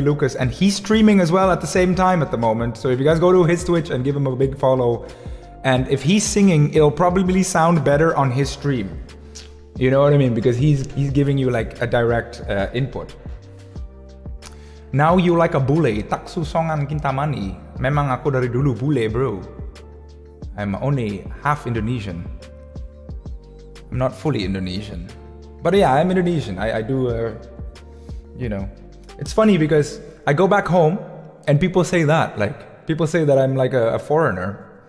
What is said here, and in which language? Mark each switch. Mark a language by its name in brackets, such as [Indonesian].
[English] Lucas and he's streaming as well at the same time at the moment. So if you guys go to his Twitch and give him a big follow, and if he's singing, it'll probably sound better on his stream. You know what I mean? Because he's giving you like a direct input. Now you like a bule. Taksu songan kintamani. [Indonesian] Memang aku dari dulu bule, bro. [English] I'm only half Indonesian. I'm not fully Indonesian. But yeah, I'm Indonesian. You know, it's funny because I go back home and people say that, like, people say that I'm like a foreigner.